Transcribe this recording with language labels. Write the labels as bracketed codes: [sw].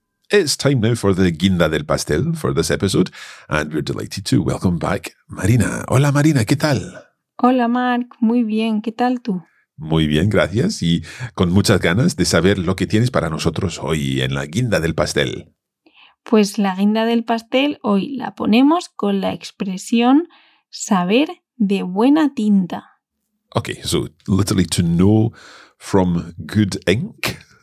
[en] It's time now for the guinda del pastel for this episode, and we're delighted to welcome back Marina. [es] Hola, Marina, ¿qué tal? Hola, Mark. Muy bien, ¿qué tal tú? Muy bien, gracias, y con muchas ganas de saber lo que tienes para nosotros hoy en la guinda del pastel. Pues la guinda del pastel hoy la ponemos con la expresión saber de buena tinta. [en] Okay, so literally to know from good ink.